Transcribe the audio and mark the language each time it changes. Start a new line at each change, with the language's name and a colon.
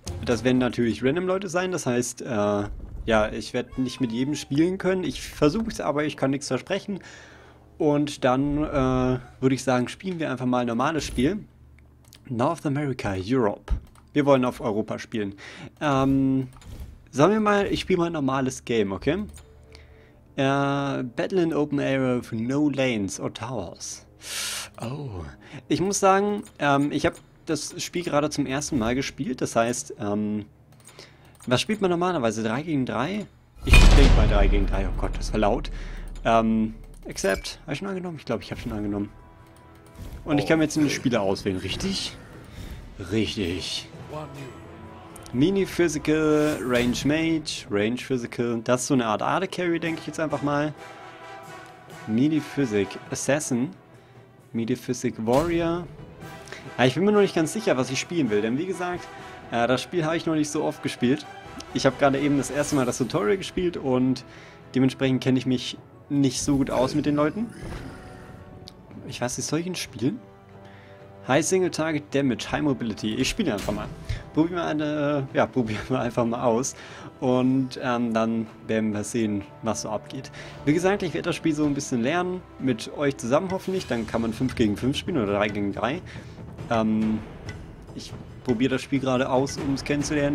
German: Das werden natürlich random Leute sein, das heißt, ja, ich werde nicht mit jedem spielen können. Ich versuche es, aber ich kann nichts versprechen. Und dann würde ich sagen, spielen wir einfach mal ein normales Spiel. North America, Europe. Wir wollen auf Europa spielen. Sagen wir mal, ich spiele mal ein normales Game, okay?
English: Battle in Open Area with no lanes or towers. Oh.
German: Ich muss sagen, ich habe das Spiel gerade zum ersten Mal gespielt. Das heißt, was spielt man normalerweise? 3 gegen 3? Ich denke mal 3 gegen 3. Oh Gott, das war laut. Except, habe ich schon angenommen? Ich glaube, ich habe schon angenommen. Und ich kann mir jetzt einen Spieler auswählen, richtig? Richtig.
English: Mini Physical, Range Mage, Range Physical.
German: Das ist so eine Art Arde Carry, denke ich jetzt einfach mal. Mini Physic, Assassin. Mini Physic, Warrior. Ja, ich bin mir noch nicht ganz sicher, was ich spielen will, denn wie gesagt, das Spiel habe ich noch nicht so oft gespielt. Ich habe gerade eben das erste Mal das Tutorial gespielt und dementsprechend kenne ich mich nicht so gut aus mit den Leuten. Ich weiß nicht, soll ich ihn spielen?
English: High Single Target Damage, High Mobility.
German: Ich spiele einfach mal. Probieren wir einfach mal aus. Und dann werden wir sehen, was so abgeht. Wie gesagt, ich werde das Spiel so ein bisschen lernen. Mit euch zusammen hoffentlich. Dann kann man 5 gegen 5 spielen oder 3 gegen 3. Ich probiere das Spiel gerade aus, um es kennenzulernen.